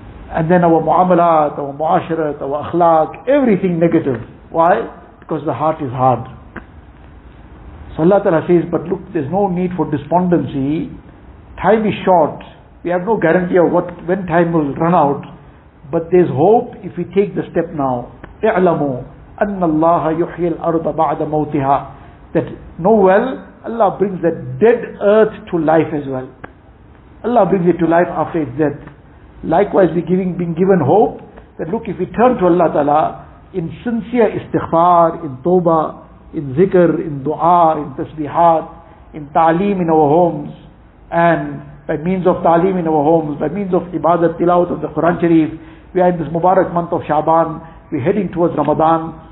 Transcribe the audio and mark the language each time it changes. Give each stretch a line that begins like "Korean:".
English: And then our mu'amalat, our mu'asharat, our akhlaq, everything negative. Why? Because the heart is hard. So Allah Ta'ala says, but look, there's no need for despondency. Time is short. We have no guarantee of when time will run out. But there's hope if we take the step now.
Arabic: اعلموا أن الله يحيي الأرض بعد موتها.
English: That know well, Allah brings that dead earth to life as well. Allah brings it to life after its death. Likewise, we're being given hope that look, if we turn to Allah Ta'ala in sincere istighfar, in tawbah, in zikr, in dua, in tasbihat, in ta'aleem in our homes, and by means of ta'aleem in our homes, by means of ibadat, tilawat of the Quran Sharif, we are in this Mubarak month of Shaban, we're heading towards Ramadan.